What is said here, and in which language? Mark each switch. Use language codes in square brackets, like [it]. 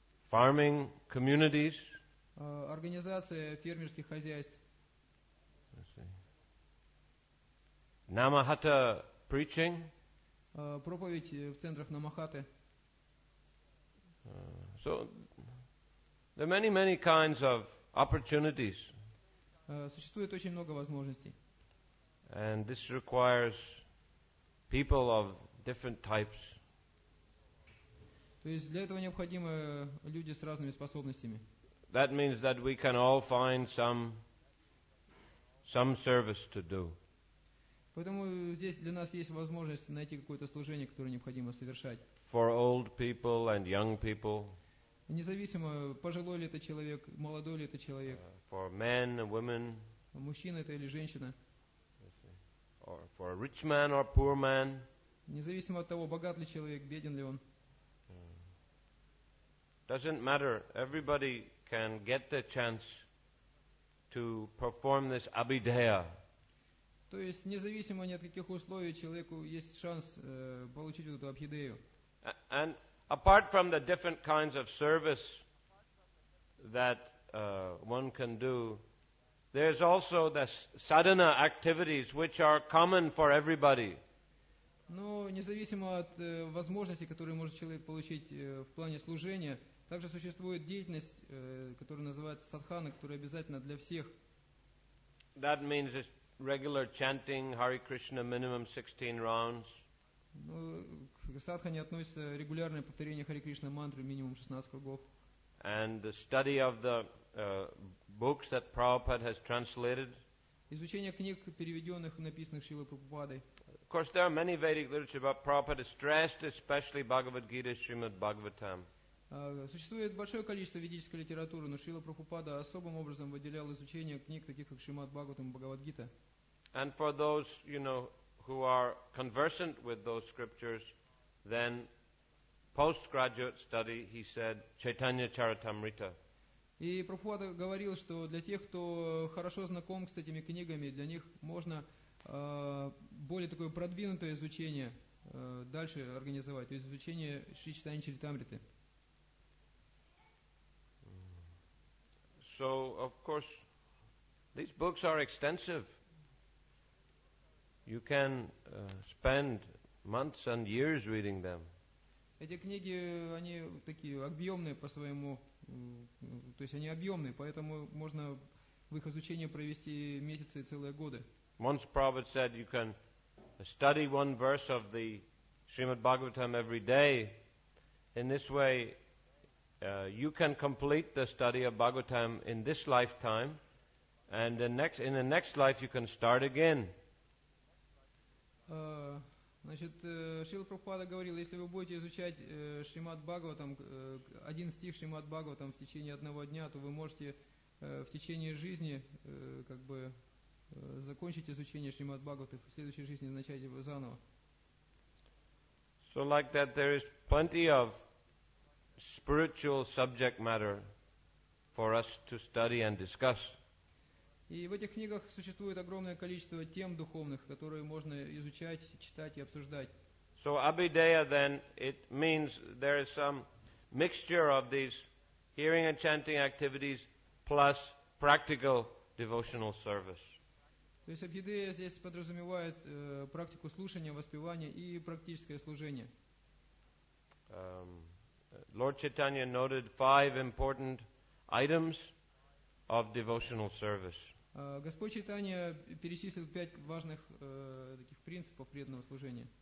[en] Farming communities. [ru] Организация фермерских хозяйств. [en] Намахата preaching. [ru] Проповедь в центрах Намахаты. [en] So there are many, many kinds of opportunities. [ru] Существует очень много возможностей. [en] And this requires people of different types. [ru] То есть для этого необходимы люди с разными способностями. [en] That means that we can all find some service to do. [ru] Поэтому здесь для нас есть возможность найти какое-то служение, которое необходимо совершать. [en] For old people and young people. [ru] Независимо, пожилой ли это человек, молодой ли это человек. [en] For men and women. [ru] Мужчина это или женщина. [en] Or for a rich man or poor man. [ru] Независимо от того, богат ли человек, беден ли он. [en] Doesn't matter. Everybody can get the chance to perform this Abhideya. [ru] То есть, независимо ни от каких условий, человеку есть шанс получить эту Абхидею. [en] And apart from the different kinds of service that one can do, there's also the sadhana activities which are common for everybody. [ru] Но независимо от возможностей, которые может человек получить в плане служения, также существует деятельность, которая называется садхана, которая обязательна для всех. [en] That means it's regular chanting Hare Krishna minimum 16 rounds. [ru] Ну, к садхане относится регулярное повторение Hare Krishna мантры минимум 16 кругов. [en] And the study of the books that Prabhupada has translated. [ru] Изучение книг, переведенных и написанных Шрилой Прабхупадой. [en] Of course, there are many Vedic literature, but Prabhupada stressed especially Bhagavad Gita, Srimad Bhagavatam. [ru] Существует большое количество ведической литературы, но Шрила Прабхупада особым образом выделял изучение книг, таких как Шримад Бхагаватам и Бхагавад Гита. [en] And for those, you know, who are conversant with those scriptures, then postgraduate study, he said, Chaitanya Charitamrita. [ru] И Прабхупада говорил, что для тех, кто хорошо знаком с этими книгами, для них можно более такое продвинутое изучение дальше организовать, то есть изучение Шри Чайтанья Чаритамриты. [en] So, of course, these books are extensive. You can spend months and years reading them. [ru] Эти книги, они такие объемные по своему, то есть они объемные, поэтому можно в их изучении провести месяцы и целые годы. [en] Once Prabhupada said you can study one verse of the Srimad Bhagavatam every day. In this way, you can complete the study of Bhagavatam in this lifetime, and in the next life you can start again. [ru] Значит, Шрила Прабхупада говорил, если вы будете изучать Шримад Бхагаватам, один стих Шримад Бхагаватам в течение одного дня, то вы можете в течение жизни как бы закончить изучение Шримад Бхагаваты, в следующей жизни начать его заново. [en] So like that there is plenty of spiritual subject matter for us to study and discuss. [ru] И в этих книгах существует огромное количество тем духовных, которые можно изучать, читать и обсуждать. [en] So Abhideya then, it means there is some mixture of these hearing and chanting activities plus practical devotional service. [ru] То есть Абхидея здесь подразумевает практику слушания, воспевания и практическое служение. [en] Lord Chaitanya noted five important items of devotional service. [ru] Господь Чайтанья перечислил пять важных таких принципов преданного служения.